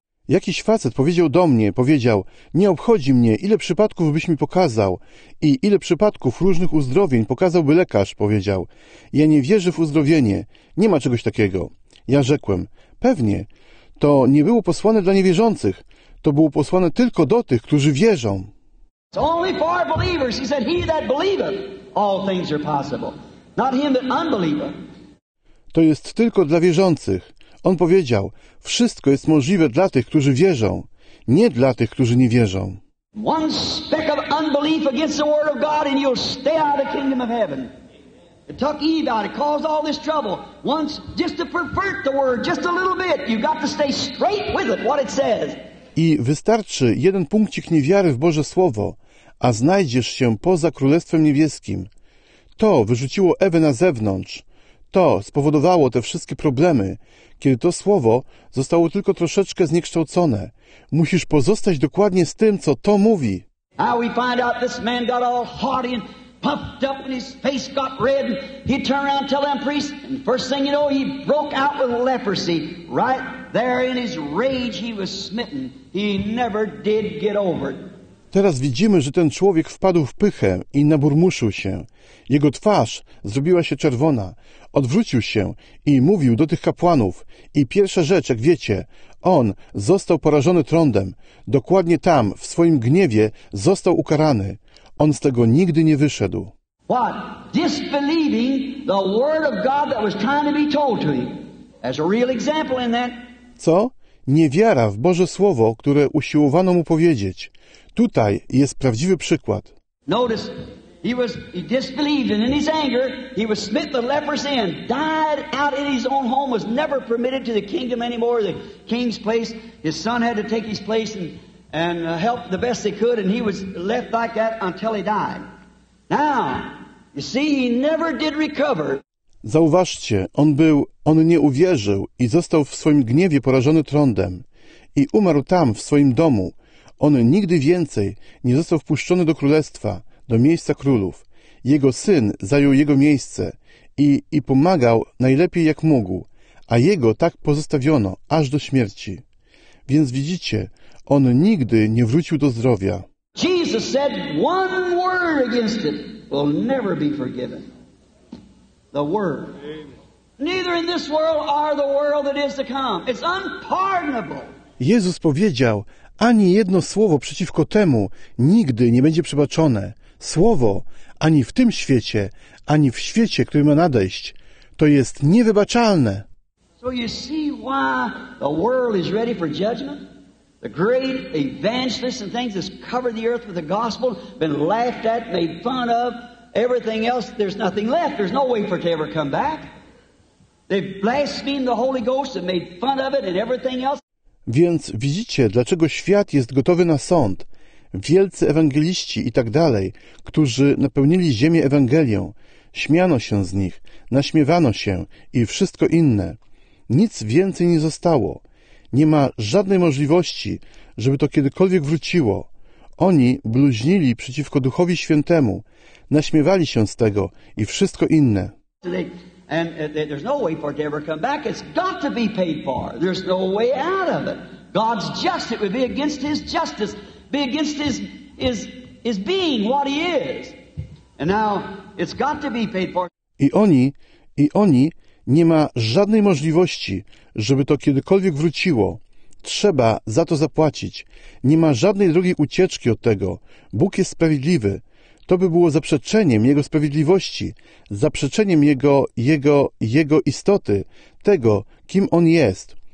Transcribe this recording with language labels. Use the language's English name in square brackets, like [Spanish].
[Polish] Jakiś facet powiedział do mnie, powiedział, nie obchodzi mnie, ile przypadków byś mi pokazał i ile przypadków różnych uzdrowień pokazałby lekarz, powiedział. Ja nie wierzę w uzdrowienie, nie ma czegoś takiego. Ja rzekłem, pewnie, to nie było posłane dla niewierzących, to było posłane tylko do tych, którzy wierzą. [English] It's only for believers, he said, he that believeth, all things are possible, not him that unbelieveth. [Polish] To jest tylko dla wierzących. On powiedział, wszystko jest możliwe dla tych, którzy wierzą, nie dla tych, którzy nie wierzą. [English] One speck of unbelief against the word of God and you'll stay out of the kingdom of heaven. It took Eve out, it caused all this trouble. Once, just to pervert the word, just a little bit, you've got to stay straight with it, what it says. [Polish] I wystarczy jeden punkcik niewiary w Boże Słowo, a znajdziesz się poza Królestwem Niebieskim. To wyrzuciło Ewę na zewnątrz. To spowodowało te wszystkie problemy, kiedy to słowo zostało tylko troszeczkę zniekształcone. Musisz pozostać dokładnie z tym, co to mówi. [English] How we find out this man got all haughty and puffed up and his face got red and he turned around and tell them priests and first thing you know he broke out with leprosy. Right there in his rage he was smitten. He never did get over it. [Polish] Teraz widzimy, że ten człowiek wpadł w pychę i naburmuszył się. Jego twarz zrobiła się czerwona. Odwrócił się i mówił do tych kapłanów. I pierwsza rzecz, jak wiecie, on został porażony trądem. Dokładnie tam, w swoim gniewie, został ukarany. On z tego nigdy nie wyszedł. [English] What? Disbelieving the word of God that was trying to be told to him. As a real example in that. [Polish] Co? Niewiara w Boże Słowo, które usiłowano mu powiedzieć. Tutaj jest prawdziwy przykład. [English] Notice, he disbelieved and in his anger, he was smitten with leprosy and died out in his own home, was never permitted to the kingdom anymore, the king's place. His son had to take his place and help the best they could and he was left like that until he died. Now, you see, he never did recover. [Polish] Zauważcie, on nie uwierzył i został w swoim gniewie porażony trądem i umarł tam, w swoim domu. On nigdy więcej nie został wpuszczony do królestwa, do miejsca królów. Jego syn zajął jego miejsce i pomagał najlepiej jak mógł, a jego tak pozostawiono aż do śmierci. Więc widzicie, on nigdy nie wrócił do zdrowia. [English] Jesus said one word against it will never be forgiven. The word. Neither in this world or the world that is to come. It's unpardonable. [Polish] Jezus powiedział, ani jedno słowo przeciwko temu nigdy nie będzie przebaczone. Słowo ani w tym świecie, ani w świecie, który ma nadejść, to jest niewybaczalne. [English] So you see why the world is ready for judgment? The great evangelists and things that cover the earth with the gospel been laughed at, made fun of. Everything else, there's nothing left. There's no way for it to ever come back. They blasphemed the Holy Ghost and made fun of it and everything else. [Polish] Więc widzicie, dlaczego świat jest gotowy na sąd. Wielcy ewangeliści i tak dalej, którzy napełnili ziemię Ewangelią, śmiano się z nich, naśmiewano się i wszystko inne. Nic więcej nie zostało. Nie ma żadnej możliwości, żeby to kiedykolwiek wróciło. Oni bluźnili przeciwko Duchowi Świętemu, naśmiewali się z tego i wszystko inne. [English] And there's no way for it to ever come back. It's got to be paid for. There's no way out of it. God's just. It would be against his justice. Be against his being, what he is. And now it's got to be paid for. [Polish] I oni nie ma żadnej możliwości, żeby to kiedykolwiek wróciło. Trzeba za to zapłacić. Nie ma żadnej drogiej ucieczki od tego. Bóg jest sprawiedliwy. To by było zaprzeczeniem Jego sprawiedliwości, zaprzeczeniem Jego istoty, tego, kim On jest.